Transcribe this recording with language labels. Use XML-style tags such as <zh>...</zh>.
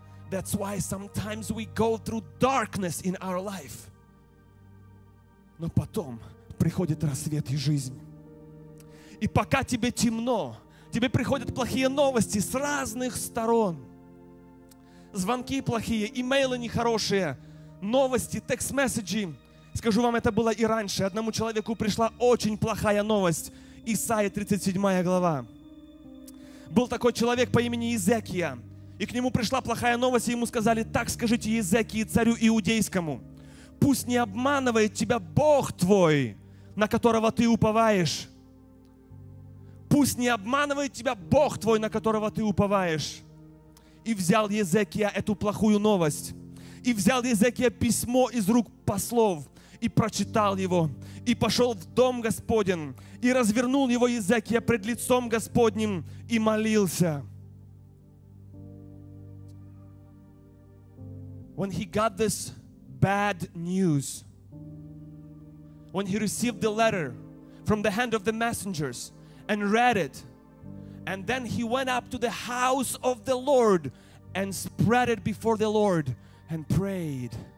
<en>That's why sometimes we go through darkness in our life.</en> <ru>Но потом приходит рассвет и жизнь. И пока тебе темно, тебе приходят плохие новости с разных сторон. Звонки плохие, имейлы нехорошие, новости, текст-месседжи. Скажу вам, это было и раньше. Одному человеку пришла очень плохая новость. Исаия 37 глава. Был такой человек по имени Иезекия. И к нему пришла плохая новость, и ему сказали: так скажите Иезекии, царю иудейскому, пусть не обманывает тебя Бог твой, на которого ты уповаешь. Пусть не обманывает тебя Бог твой, на которого ты уповаешь. И взял Иезекия эту плохую новость. И взял Иезекия письмо из рук послов, и прочитал его, и пошел в дом Господен, и развернул его Иезекия пред лицом Господним, и молился.</ru> <en>When he got this bad news, when he received the letter from the hand of the messengers and read it, and then he went up to the house of the Lord and spread it before the Lord and prayed.</en>